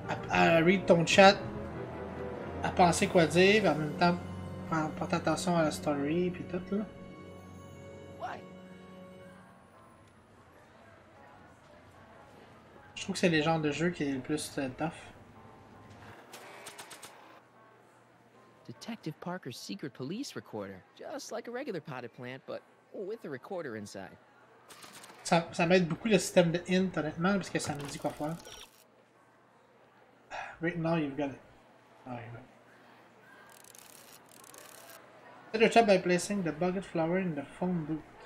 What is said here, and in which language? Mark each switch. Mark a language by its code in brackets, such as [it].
[fr] À read ton chat, à penser quoi dire, mais en même temps, porter attention à la story et tout là. Je trouve que c'est le genre de jeu qui est le plus tough. [en] Detective Parker's secret police recorder, just like a regular potted plant, but with a recorder inside. [fr] Ça m'aide beaucoup le système de hint, honnêtement, parce que ça me dit quoi faire. [en] Right now you've got it. Alright. Set your trap by placing the bucket flower in the phone booth.